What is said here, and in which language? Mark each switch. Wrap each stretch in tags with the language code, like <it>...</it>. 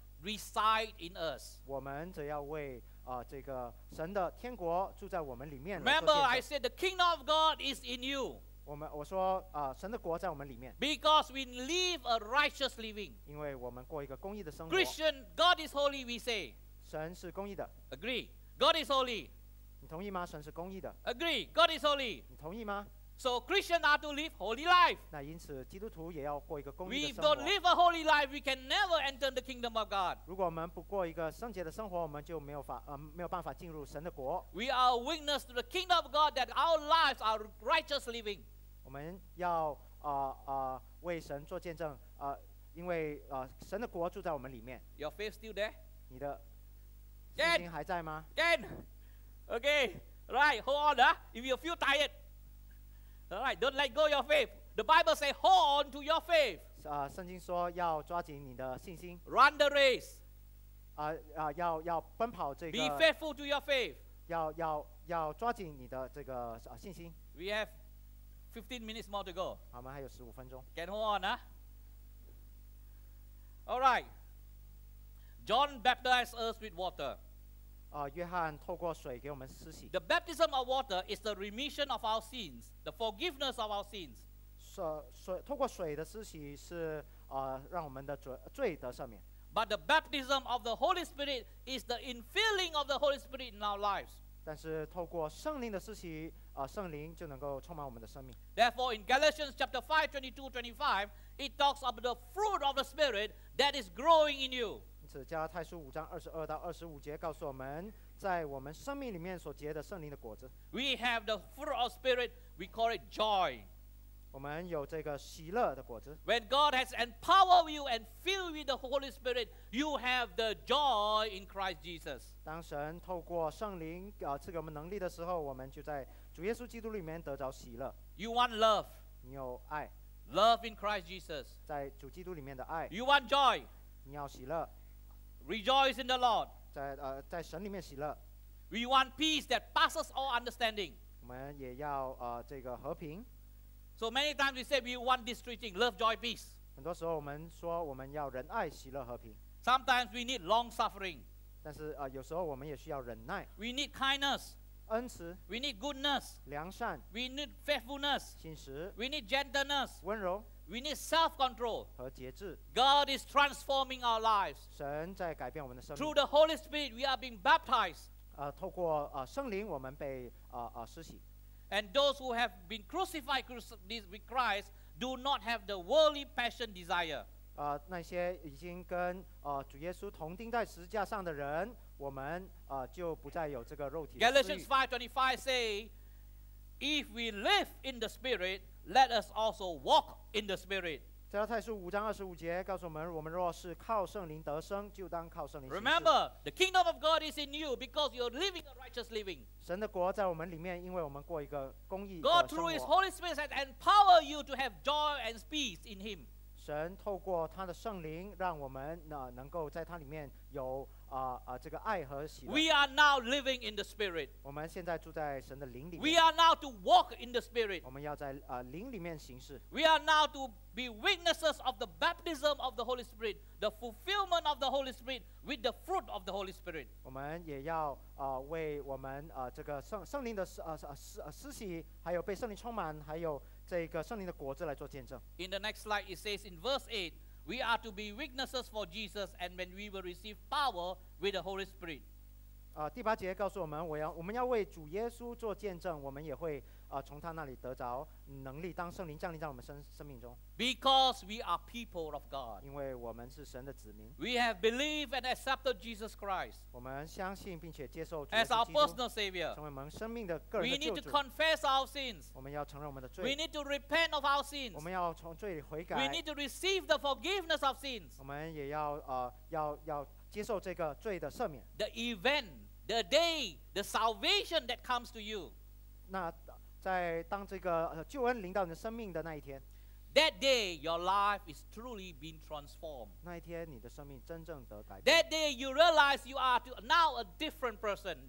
<en>Reside in us.</en> <zh>我们则要为这个神的天国住在我们里面。</zh> <en>Remember, I said the kingdom of God is in you.</en> <zh>我说神的国在我们里面。</zh> <en>Because we live a righteous living.</en> <zh>因为我们过一个公义的生活。</zh> <en>Christian, God is holy. We say.</en> <zh>神是公义的。</zh> <en>Agree. God is holy.</en> <zh>你同意吗？神是公义的。</zh> <en>Agree. God is holy.</en> <zh>你同意吗？</zh> <en>So Christians are to live holy life.</en> <zh>那因此基督徒也要过一个公义的生活。</zh> <en>We don't live a holy life, we can never enter the kingdom of God.</en> <zh>如果我们不过一个圣洁的生活，我们就没有办法进入神的国。</zh> <en>We are a witness to the kingdom of God that our lives are righteous living.</en> <zh>我们要为神做见证，因为神的国住在我们里面。</zh> <en>Your faith still there?</en> <zh>你的信心还在吗</zh> <en>？Can. Okay. Right. Hold on. If you feel tired. All right, don't let go your faith. The Bible says, hold on to your faith.</en> <zh>圣经说要抓紧你的信心。</zh> <en>Run the race.</en> <zh>要奔跑这个。</zh> <en>Be faithful to your faith.</en> <zh>要抓紧你的这个信心。</zh> <en>We have 15 minutes more to go.</en> <zh>我们还有15分钟。</zh> <en>Can hold on, huh? All right. John baptized us with water.</en> <zh>约翰透过水给我们施洗。</zh> <en>The baptism of water is the remission of our sins, the forgiveness of our sins.</en> <zh>透过水的施洗是让我们的罪得赦免。</zh> <en>But the baptism of the Holy Spirit is the infilling of the Holy Spirit in our lives.</en> <zh>但是透过圣灵的施洗圣灵就能够充满我们的生命。</zh> <en>Therefore, in Galatians chapter 5:22-25, it talks about the fruit of the Spirit that is growing in you.</en> <zh>因此，加拉太书5:22-25告诉我们，在我们生命里面所结的圣灵的果子。</zh> <en>We have the fruit of Spirit. We call it joy.</en> <zh>我们有这个喜乐的果子。</zh> <en>When God has empowered you and filled you with the Holy Spirit, you have the joy in Christ Jesus.</en> <zh>当神透过圣灵赐给我们能力的时候，我们就在主耶稣基督里面得着喜乐。</zh> <en>You want love.</en> <zh>你有爱。</zh> <en>Love in Christ Jesus.</en> <zh>在主基督里面的爱。</zh> <en>You want joy.</en> <zh>你要喜乐。</zh> <en>Rejoice in the Lord.</en> <zh>在神里面喜乐。</zh> <en>We want peace that passes all understanding.</en> <zh>我们也要这个和平。</zh> <en>So many times we say we want these three things: love, joy, peace.</en> <zh>很多时候我们说我们要仁爱、喜乐、和平。</zh> <en>Sometimes we need long suffering.</en> <zh>但是有时候我们也需要忍耐。</zh> <en>We need kindness.</en> <zh>恩慈。</zh> <en>We need goodness.</en> <zh>良善。</zh> <en>We need faithfulness.</en> <zh>信实。</zh> <en>We need gentleness.</en> <zh>温柔。</zh> <en>We need self-control.</en> <zh>和节制。</zh> <en>God is transforming our lives.</en> <zh>神在改变我们的生命。</zh> <en>Through the Holy Spirit, we are being baptized.</en> <zh>透过圣灵，我们被施洗。</zh> <en>And those who have been crucified with Christ do not have the worldly passion desire.</en> <zh>那些已经跟主耶稣同钉在十字架上的人，我们就不再有这个肉体的私欲。</zh> <en>Galatians 5:25 say, "If we live in the Spirit, let us also walk in the Spirit."</en> <zh>加拉太书5:25告诉我们，我们若是靠圣灵得生，就当靠圣灵行事。</zh> <en>Remember, the kingdom of God is in you because you're living a righteous living.</en> <zh>神的国在我们里面，因为我们过一个公义的</zh> <en>生活。God through His Holy Spirit has empowered you to have joy and peace in Him.</en> <zh>神透过他的圣灵，让我们能够在他里面有这个爱和喜乐。</zh> <en>We are now living in the Spirit.</en> <zh>我们现在住在神的灵里面。</zh> <en>We are now to walk in the Spirit.</en> <zh>我们要在灵里面行事。</zh> <en>We are now to be witnesses of the baptism of the Holy Spirit, the fulfillment of the Holy Spirit with the fruit of the Holy Spirit.</en> <zh>我们也要为我们这个圣灵的施洗，还有被圣灵充满，还有这个圣灵的果子来做见证。</zh> <en>In the next slide, it says in verse 8. We are to be witnesses for Jesus, and when we will receive power with the Holy Spirit.</en> <zh>第八节告诉我们，我们要为主耶稣做见证，我们也会从他那里得着能力，当圣灵降临在我们生命中。</zh> <en>Because we are people of God.</en> <zh>因为我们是神的子民。</zh> <en>We have believed and accepted Jesus Christ.</en> <zh>我们相信并且接受主</zh> <en>耶稣基督 as our personal Savior.</en> <zh>成为我们生命的个人的救主。</zh> <en>We need to confess our sins.</en> <zh>我们要承认我们的罪。</zh> <en>We need to repent of our sins.</en> <zh>我们要从罪里悔改。</zh> <en>We need to receive the forgiveness of sins.</en> <zh>我们也要接受这个罪的赦免。</zh> <en>The event, the day, the salvation that comes to you.</en> <zh>那在当这个救恩临到你的生命的那一天。</zh> <en>That day, your life is truly being transformed.</en> <zh>那一天，你的生命真正得改变。</zh> <en>That day, you realize you are now a different person.</en>